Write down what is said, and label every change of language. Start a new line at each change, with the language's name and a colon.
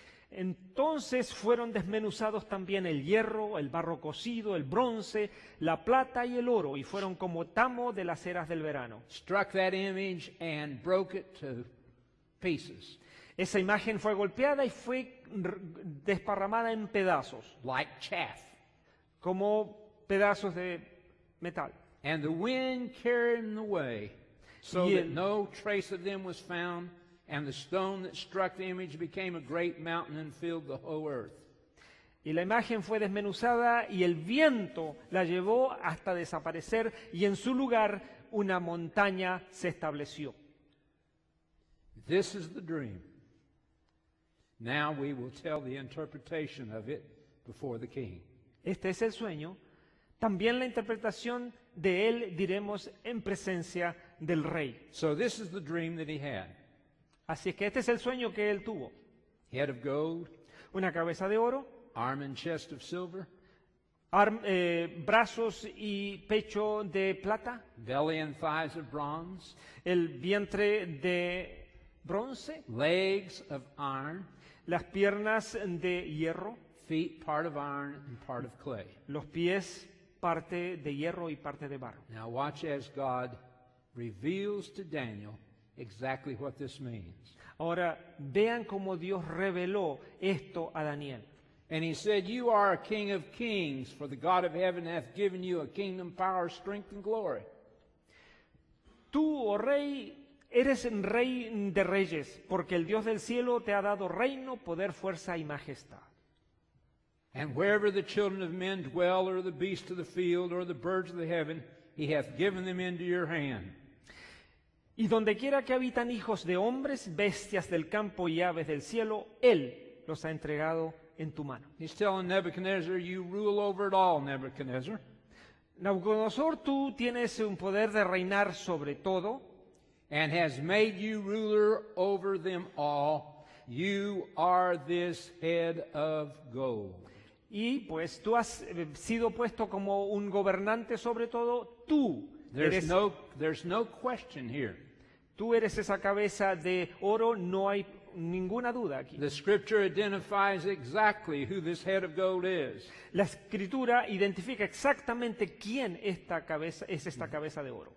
Spanish: Entonces fueron desmenuzados también el hierro, el barro cocido, el bronce, la plata y el oro, y fueron como tamo de las eras del verano.
English: Struck that image and broke it to pieces.
Spanish: Esa imagen fue golpeada y fue desparramada en pedazos.
English: Like chaff.
Spanish: Como pedazos de metal.
English: And the wind carried them away, so that no trace of them was found. And the stone that struck the image became a great mountain and filled the whole earth.
Spanish: Y la imagen fue desmenuzada y el viento la llevó hasta desaparecer y en su lugar una montaña se estableció.
English: This is the dream. Now we will tell the interpretation of it before the king.
Spanish: Este es el sueño. También la interpretación de él diremos en presencia del rey.
English: So this is the dream that he had.
Spanish: Así es que este es el sueño que él tuvo.
English: Head of gold.
Spanish: Una cabeza de oro.
English: Arm and chest of silver.
Spanish: Brazos y pecho de plata.
English: Belly and thighs of bronze.
Spanish: El vientre de bronce.
English: Legs of iron.
Spanish: Las piernas de hierro.
English: Feet part of iron and part of clay.
Spanish: Los pies parte de hierro y parte de barro.
English: Now watch as God reveals to Daniel exactly what this means.
Spanish: Ahora vean cómo Dios reveló esto a Daniel.
English: And he said, "You are a king of kings, for the God of heaven hath given you a kingdom, power, strength, and glory."
Spanish: Tú, oh rey, eres rey de reyes, porque el Dios del cielo te ha dado reino, poder, fuerza y majestad.
English: And wherever the children of men dwell, or the beasts of the field, or the birds of the heaven, he hath given them into your hand.
Spanish: Y donde quiera que habitan hijos de hombres, bestias del campo y aves del cielo, él los ha entregado en tu mano.
English: He's telling Nebuchadnezzar, you rule over it all, Nebuchadnezzar.
Spanish: Nabucodonosor, tú tienes un poder de reinar sobre todo.
English: And has made you ruler over them all. You are this head of gold.
Spanish: Y pues tú has sido puesto como un gobernante sobre todo, tú.
English: There's no question here.
Spanish: Tú eres esa cabeza de oro, no hay ninguna duda aquí.
English: The scripture identifies exactly who this head of gold is.
Spanish: La escritura identifica exactamente quién esta cabeza es, esta cabeza de oro.